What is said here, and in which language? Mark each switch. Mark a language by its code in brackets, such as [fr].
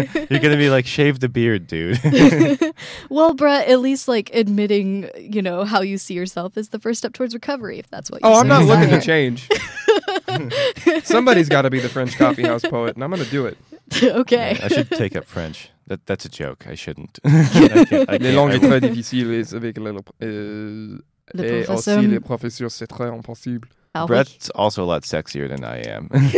[en] You're going to be like, shave the beard, dude. Well, Brett, at least admitting, how you see yourself is the first step towards recovery, if that's what you say. Oh, I'm not looking to change. Somebody's got to be the French coffee house poet, and I'm going to do it. Okay. Yeah, I should take up French. That's a joke. I shouldn't. [fr] Le langue est très difficile avec le professeur. Et aussi le professeur, c'est très impossible. [en] Brett's also a lot sexier than I am.